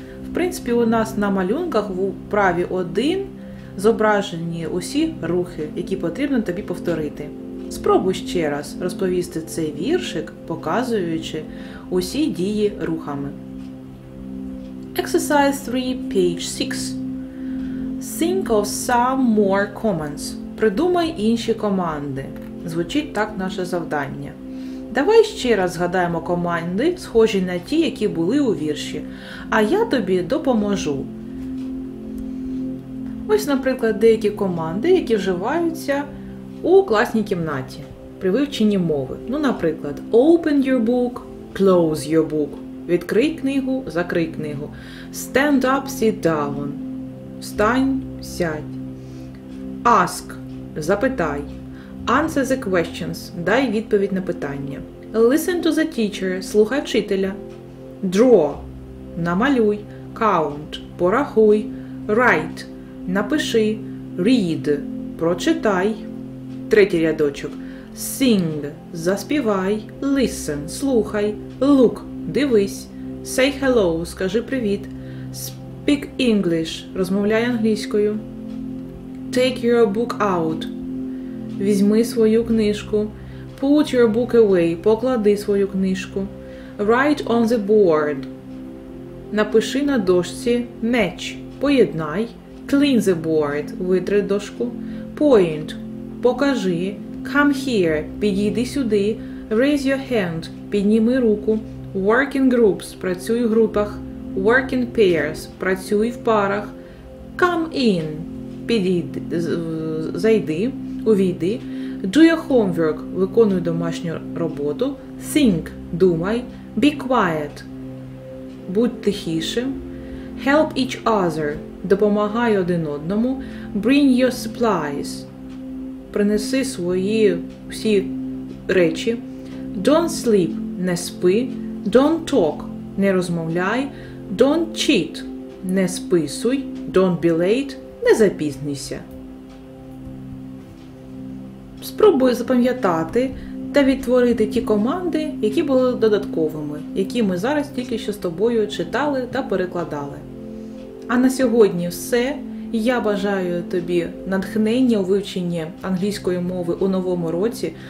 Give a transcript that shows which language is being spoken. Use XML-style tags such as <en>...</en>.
<uk>В принципі, у нас на малюнках в праві 1 зображені усі рухи, які потрібно тобі повторити. Спробуй ще раз розповісти цей віршик, показуючи усі дії рухами.</uk> <en>Exercise 3, page 6. Think of some more commands.</en> <uk>Придумай інші команди. Звучить так наше завдання. Давай ще раз згадаємо команди, схожі на ті, які були у вірші. А я тобі допоможу. Ось, наприклад, деякі команди, які вживаються у класній кімнаті при вивченні мови. Ну, наприклад,</uk> <en>open your book, close your book.</en> <uk>Відкрий книгу, закрий книгу.</uk> <en>Stand up, sit down.</en> <uk>Встань, сядь. Ask, запитай.</uk> <en>Answer the questions,</en> <uk>дай відповідь на питання.</uk> <en>Listen to the teacher,</en> <uk>слухай вчителя.</uk> <en>Draw,</en> <uk>намалюй.</uk> <en>Count,</en> <uk>порахуй.</uk> <en>Write,</en> <uk>напиши.</uk> <en>Read,</en> <uk>прочитай. Третій рядочок.</uk> <en>Sing,</en> <uk>заспівай.</uk> <en>Listen,</en> <uk>слухай.</uk> <en>Look,</en> <uk>дивись.</uk> <en>Say hello,</en> <uk>скажи привіт.</uk> <en>Speak English,</en> <uk>розмовляй англійською.</uk> <en>Take your book out,</en> <uk>візьми свою книжку.</uk> <en>Put your book away,</en> <uk>поклади свою книжку.</uk> <en>Write on the board,</en> <uk>напиши на дошці.</uk> <en>Match,</en> <uk>поєднай.</uk> <en>Clean the board,</en> <uk>витри дошку.</uk> <en>Point,</en> <uk>покажи.</uk> <en>Come here,</en> <uk>підійди сюди.</uk> <en>Raise your hand,</en> <uk>підніми руку.</uk> <en>Work in groups,</en> <uk>працюй у групах.</uk> <en>Work in pairs,</en> <uk>працюй в парах.</uk> <en>Come in,</en> <uk>підійди, зайди, увійди.</uk> <en>Do your homework,</en> <uk>виконуй домашню роботу.</uk> <en>Think,</en> <uk>думай.</uk> <en>Be quiet,</en> <uk>будь тихішим.</uk> <en>Help each other,</en> <uk>допомагай один одному.</uk> <en>Bring your supplies,</en> <uk>принеси свої всі речі.</uk> <en>Don't sleep,</en> <uk>не спи.</uk> <en>Don't talk,</en> <uk>не розмовляй.</uk> <en>Don't cheat,</en> <uk>не списуй.</uk> <en>Don't be late,</en> <uk>не запізнися. Спробую запам'ятати та відтворити ті команди, які були додатковими, які ми зараз тільки що з тобою читали та перекладали. А на сьогодні все. Я бажаю тобі натхнення у вивченні англійської мови у новому році.</uk>